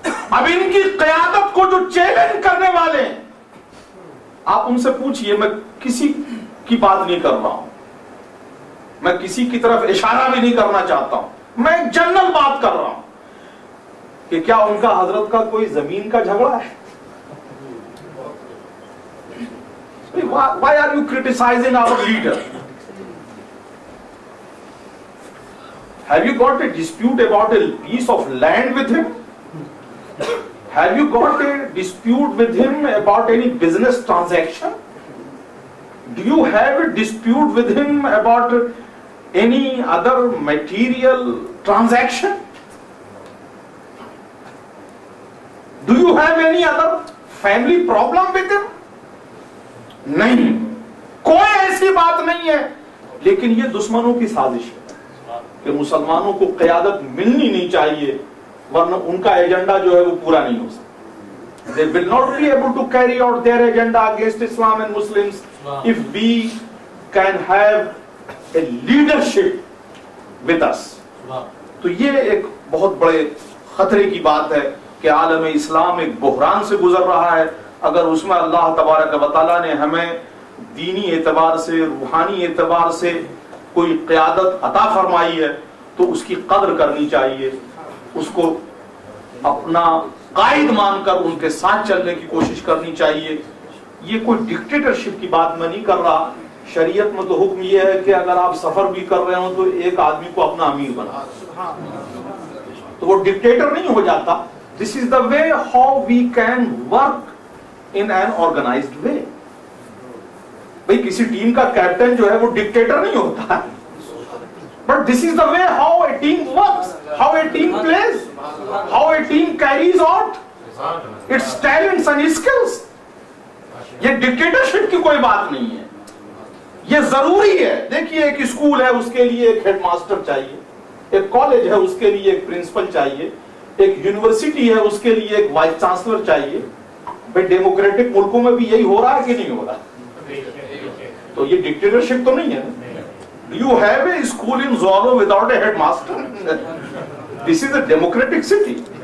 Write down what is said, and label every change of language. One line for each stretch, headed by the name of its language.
Urdu: اب ان کی قیادت کو جو چیلنج کرنے والے ہیں, آپ ان سے پوچھئے, میں کسی کی بات نہیں کر رہا ہوں, میں کسی کی طرف اشارہ بھی نہیں کرنا چاہتا ہوں, میں ایک جنرل بات کر رہا ہوں کہ کیا ان کا حضرت کا کوئی زمین کا جھگڑا ہے؟
English: Why are you criticizing our leader? Have you got a dispute about a piece of land with him? Have you got a dispute with him about any business transaction? Do you have a dispute with him about any other material transaction? Do you have any other family problem with him?
Urdu: نہیں, کوئی ایسی بات نہیں ہے. لیکن یہ دشمنوں کی سازش ہے کہ مسلمانوں کو قیادت ملنی نہیں چاہیے, ورنہ ان کا ایجنڈا جو ہے وہ پورا نہیں ہو سکتا.
English: They will not be able to carry out their agenda against Islam and Muslims if we can have a leadership with us.
Urdu: تو یہ ایک بہت بڑے خطرے کی بات ہے کہ عالم اسلام ایک بحران سے گزر رہا ہے, اگر اس میں اللہ تبارک و تعالیٰ نے ہمیں دینی اعتبار سے, روحانی اعتبار سے کوئی قیادت عطا فرمائی ہے تو اس کی قدر کرنی چاہیے, اس کو اپنا قائد مان کر ان کے ساتھ چلنے کی کوشش کرنی چاہیے. یہ کوئی ڈکٹیٹرشپ کی بات میں نہیں کر رہا. شریعت میں تو حکم یہ ہے کہ اگر آپ سفر بھی کر رہے ہو تو ایک آدمی کو اپنا امیر بنا, تو وہ ڈکٹیٹر نہیں ہو جاتا.
English: This is the way how we can work in an organized way.
Urdu: بھئی کسی ٹیم کا کیپٹن جو ہے وہ ڈکٹیٹر نہیں ہوتا,
English: but this is the way how a team works, how a team plays, how a team carries out its talents and skills.
Urdu: یہ dictatorship کی کوئی بات نہیں ہے, یہ ضروری ہے. دیکھیے, ایک اسکول ہے اس کے لیے ایک ہیڈ ماسٹر چاہیے, ایک کالج ہے اس کے لیے ایک پرنسپل چاہیے, ایک یونیورسٹی ہے اس کے لیے ایک وائس چانسلر چاہیے. ڈیموکریٹک ملکوں میں بھی یہی ہو رہا ہے کہ نہیں ہو رہا؟ تو یہ ڈکٹیٹرشپ تو نہیں ہے.
English: Do you have a school in Zorro without a headmaster? This is a democratic city.